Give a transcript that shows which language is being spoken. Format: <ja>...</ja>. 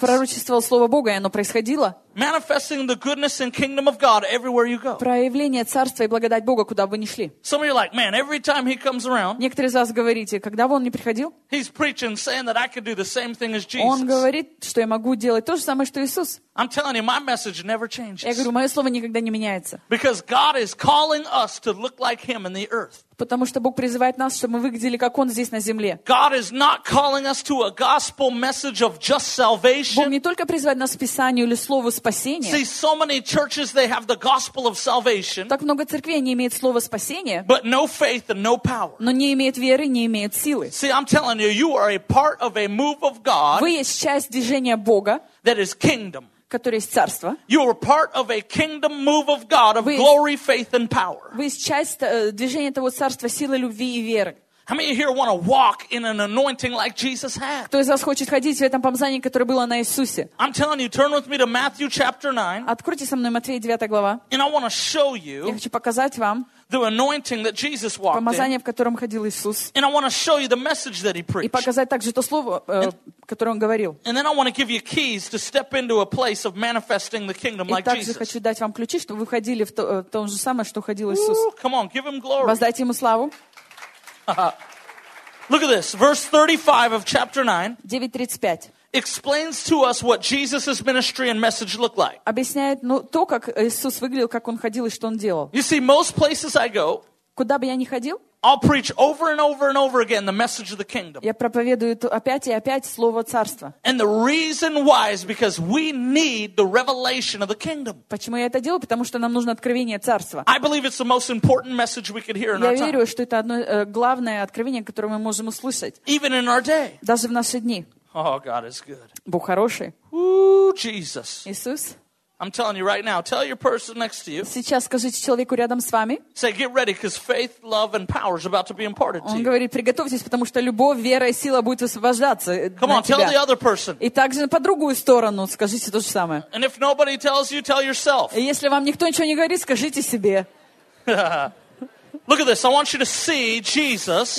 <ru>Пророчествовал слово Бога, и оно происходило.</ru> <en>Manifesting the goodness and kingdom of God everywhere you go.</en> <ru>Проявление царства и благодать Бога, куда бы вы ни шли.</ru> <en>Some of you are like, man, every time he comes around.</en> <ru>Некоторые из вас говорите, когда бы он ни приходил.</ru> <en>He's preaching, saying that I could do the same thing as Jesus.</en> <ru>Он говорит, что я могу делать то же самое, что Иисус.</ru> <en>I'm telling you, my message never changes.</en> <ru>Я говорю, мое слово никогда не меняется.</ru> <en>Because God is calling us to look like him in the earth.</en> <ru>Потому что Бог призывает нас, чтобы мы выглядели, как Он здесь на земле.</ru> <en>God is not calling us to a gospel message of just salvation.</en> <ru>Бог не только призывает нас к Писанию или Слову спасения.</ru> <en>See, so many churches, they have the gospel of salvation.</en> <ru>Так много церквей, они имеют Слово спасения.</ru> <en>But no faith and no power.</en> <ru>Но не имеют веры, не имеют силы.</ru> <en>See, I'm telling you, you are a part of a move of God.</en> <ru>Вы есть часть движения Бога.</ru> <en>That is kingdom.</en> <ru>Которое есть царство.</ru> <en>You are part of a kingdom move of God of glory, faith, and power.</en> <ru>Вы часть движения этого царства силы, любви и веры.</ru> <en>How many of you here want to walk in an anointing like Jesus had?</en> <ru>Кто из вас хочет ходить в этом помазании, которое было на Иисусе?</ru> <en>I'm telling you, turn with me to Matthew chapter 9.</en> <ru>Откройте со мной Матфея 9 глава.</ru> <en>And I want to show you.</en> <ru>Я хочу показать вам.</ru> <en>The anointing that Jesus walked in.</en> <ru>Помазание, в котором ходил Иисус.</ru> <en>And I want to show you the message that he preached.</en> <ru>И показать также то слово, которое он говорил.</ru> <en>And then I want to give you keys to step into a place of manifesting the kingdom like Jesus.</en> <ru>И также хочу дать вам ключи, чтобы вы ходили в то же самое, что ходил Иисус.</ru> <en>Come on, give him glory.</en> <ru>Воздайте ему славу.</ru> <en>Look at this, verse 35 of chapter 9. 9:35. Explains to us what Jesus's ministry and message looked like.</en> <ru>Объясняет, ну то, как Иисус выглядел, как он ходил и что он делал.</ru> <en>You see, most places I go,</en> <ru>куда бы я ни ходил,</ru> <en>I'll preach over and over and over again the message of the kingdom.</en> <ru>Я проповедую опять и опять слово царства.</ru> <en>And the reason why is because we need the revelation of the kingdom.</en> <ru>Почему я это делаю? Потому что нам нужно откровение царства.</ru> <en>I believe it's the most important message we could hear in</en> <ru>я</ru> <en>our time.</en> <ru>Я верю, что это одно главное откровение, которое мы можем услышать.</ru> <en>Even in our day.</en> <ru>Даже в наши дни.</ru> <en>Oh, God is good.</en> <ru>Бог хороший.</ru> <en>Ooh, Jesus.</en> <ru>Иисус.</ru> <en>I'm telling you right now, tell your person next to you.</en> <ru>Сейчас скажите человеку рядом с вами.</ru> <en>Say, get ready, because faith, love, and power is about to be imparted to you.</en> <ru>Он говорит, приготовьтесь, потому что любовь, вера и сила будет высвобождаться на тебя.</ru> <en>Come on, tell the other person.</en> <ru>И также по другую сторону скажите то же самое.</ru> <en>And if nobody tells you, tell yourself.</en> <ru>И если вам никто ничего не говорит, скажите себе.</ru> <en>Look at this. I want you to see Jesus.</en>